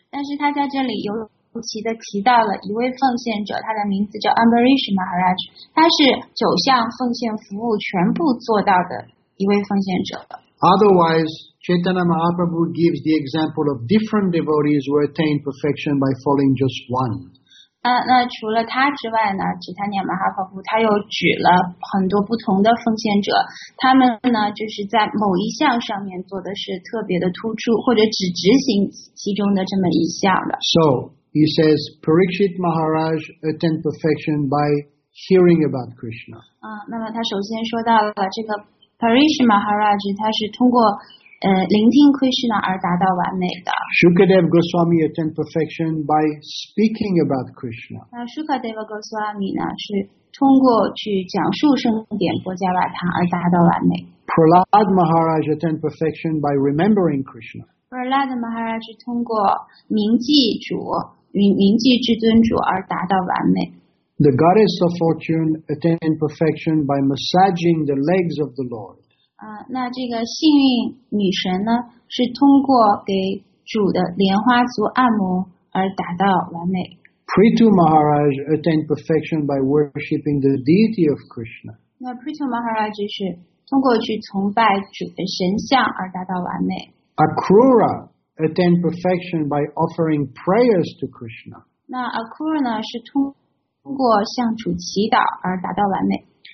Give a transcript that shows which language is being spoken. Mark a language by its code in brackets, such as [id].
[zh] 但是他在这里尤其的提到了一位奉献者，他的名字叫 Ambarish Maharaj, 他是九项奉献服务全部做到的一位奉献者。 [en] Otherwise, Chaitanya Mahaprabhu gives the example of different devotees who attained perfection by following just one. [zh] 那除了他之外呢，其他念马哈佛布他又举了很多不同的奉献者，他们呢就是在某一项上面做的是特别的突出，或者只执行其中的这么一项的。 [en] So he says, Parikshit Maharaj attained perfection by hearing about Krishna. [zh] 那么他首先说到了这个 Parikshit Maharaj, 他是通过聆听 Krishna 而达到完美的。 [en] Shukadev Goswami attained perfection by speaking about Krishna. [zh] Shukadev Goswami 呢是通过去讲述圣典波迦瓦堂而达到完美。 [en] Prahlad Maharaj attained perfection by remembering Krishna. [zh] Prahlad Maharaj 通过铭记主与铭记至尊主而达到完美。 [en] The Goddess of Fortune attained perfection by massaging the legs of the Lord. [zh] 那这个幸运女神呢，是通过给主的莲花足按摩而达到完美。 [en] Prithu Maharaj attained perfection by worshipping the deity of Krishna. [zh] 那 Prithu Maharaj 是通过去崇拜主的神像而达到完美。 [en] Akrura attained perfection by offering prayers to Krishna. [zh] 那 Akrura 呢，是通过向主祈祷而达到完美。